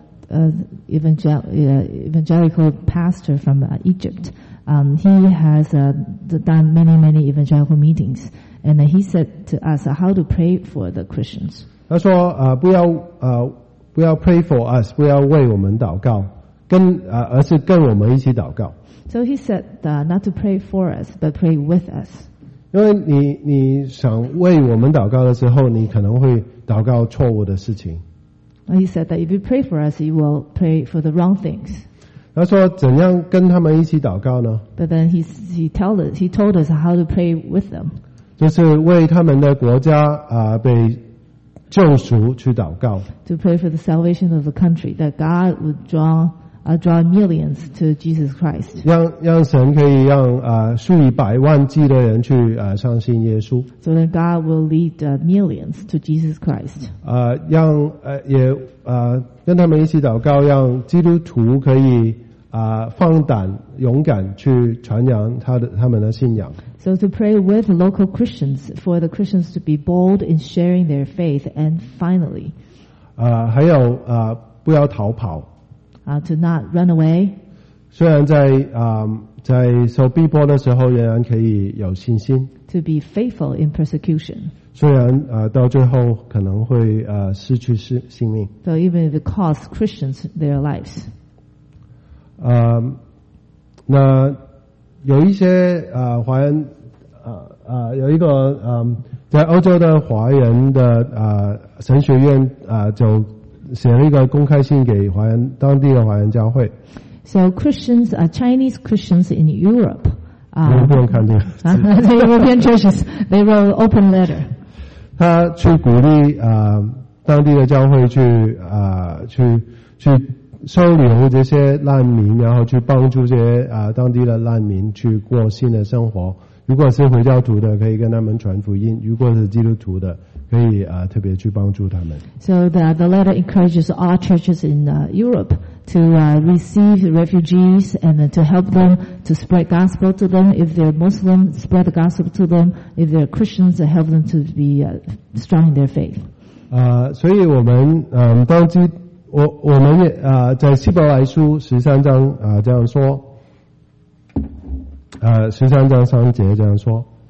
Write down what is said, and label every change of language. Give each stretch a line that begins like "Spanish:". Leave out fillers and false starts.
English: Evangelical pastor from Egypt, he has done many evangelical meetings, and he said to us how to pray for the Christians.
Chinese: 他说不要
English: pray for us,
Chinese: 不要为我们祷告，而是跟我们一起祷告。
English: So he said, not to pray for us, but pray with us.
Chinese: 因为你想为我们祷告的时候，你可能会祷告错误的事情。
English: He said that if you pray for us, you will pray for the wrong things.
Chinese: 他说怎样跟他们一起祷告呢？
English: But then he told us how to pray with them.
Chinese: 就是为他们的国家被救赎去祷告。
English: To pray for the salvation of the country, that God would draw millions to Jesus Christ.
Chinese: 让神可以让数以百万计的人去相信耶稣。
English: So then God will lead millions to Jesus Christ.
Chinese: 让也跟他们一起祷告，让基督徒可以放胆勇敢去传扬他们的信仰。
English: So to pray with local Christians for the Christians to be bold in sharing their faith, and finally,
Chinese: 还有不要逃跑。
English: To not run away.
Chinese: 虽然在受逼迫的时候仍然可以有信心。
English: To be faithful in persecution.
Chinese: 虽然到最后可能会失去性命。
English: So even if it costs Christians their lives.
Chinese: 那有一些华人有一个在欧洲的华人的神学院就写了一个公开信给华人当地的华人教会。
English: So Christians, Chinese Christians in Europe,
Chinese: 你不用看这个。
English: European churches, they wrote open letter.
Chinese: 他去鼓励当地的教会去去收留这些难民，然后去帮助这些当地的难民去过新的生活。如果是回教徒的，可以跟他们传福音；如果是基督徒的，可以特别去帮助他们。
English: So the letter encourages all churches in Europe to receive refugees and to help them to spread gospel to them. If they're Muslim, spread the gospel to them. If they're Christians, help them to be strong in their faith.
Chinese: 所以我们我们也在希伯来书十三章这样说，十三章三节这样说。